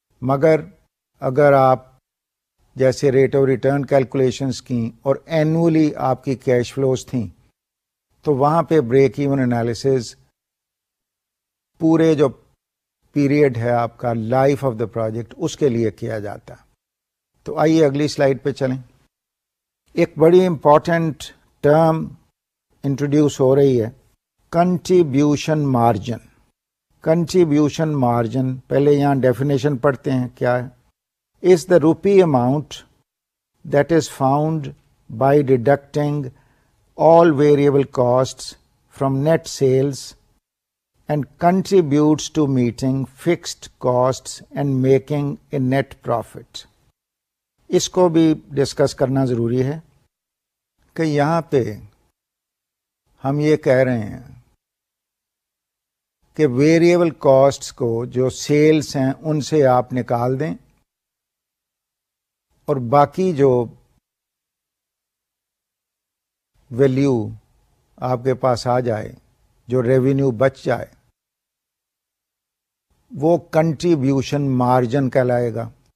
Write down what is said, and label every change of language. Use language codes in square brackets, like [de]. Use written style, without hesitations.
[ur] مگر اگر آپ جیسے ریٹ آف ریٹرن کیلکولیشنس کی اور اینولی آپ کی کیش فلوز تھیں تو وہاں پہ بریک ایون انالیسز پورے جو پیریڈ ہے آپ کا لائف آف دا پروجیکٹ اس کے لیے کیا جاتا. تو آئیے اگلی سلائیڈ پہ چلیں. ایک بڑی امپورٹنٹ ٹرم انٹروڈیوس ہو رہی ہے, کنٹریبیوشن مارجن. کنٹریبیوشن مارجن, پہلے یہاں ڈیفینیشن پڑھتے ہیں کیا ہے. [en] Is the rupee amount that is found by deducting all variable costs from net sales and contributes to meeting fixed costs and making a net profit. [ur] اس کو بھی discuss کرنا ضروری ہے کہ یہاں پہ ہم یہ کہہ رہے ہیں کہ ویریبل کاسٹس کو جو سیلس ہیں ان سے آپ نکال دیں اور باقی جو ویلیو آپ کے پاس آ جائے, جو ریونیو بچ جائے, وہ کنٹریبیوشن مارجن کہلائے گا.